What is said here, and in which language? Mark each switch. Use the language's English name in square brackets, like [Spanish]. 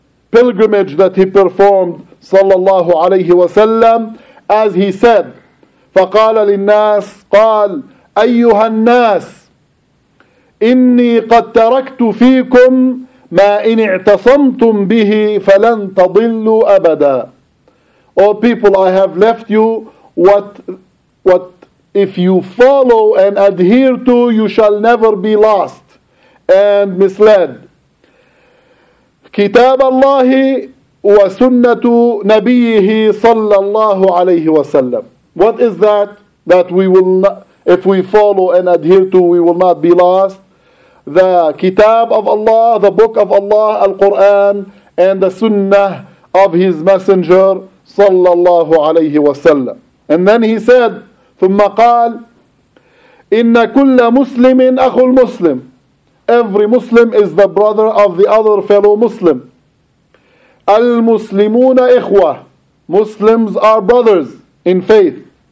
[English] pilgrimage that he performed sallallahu alayhi wa sallam, as he said, [Arabic] فَقَالَ لِلنَّاسِ قَالْ أَيُّهَا النَّاسِ إِنِّي قَدْ تَرَكْتُ فِيكُمْ مَا إِنْ اِعْتَصَمْتُمْ بِهِ فَلَنْ تَضِلُّ أَبَدًا. [English] O people, I have left you what if you follow and adhere to, you shall never be lost and misled. [Arabic] كتاب الله وسنة نبيه صلى الله عليه وسلم. [English] What is that? That we will not, if we follow and adhere to, we will not be lost. The Kitab of Allah, the Book of Allah, Al-Quran, and the Sunnah of His Messenger, sallallahu alayhi wa sallam. And then he said, [Arabic] ثُمَّ قَالْ إِنَّ كُلَّ مُسْلِمٍ أَخُ الْمُسْلِمِ. [English] Every Muslim is the brother of the other fellow Muslim. [Arabic] الْمُسْلِمُونَ إِخْوَةٌ. [English] Muslims are brothers in faith.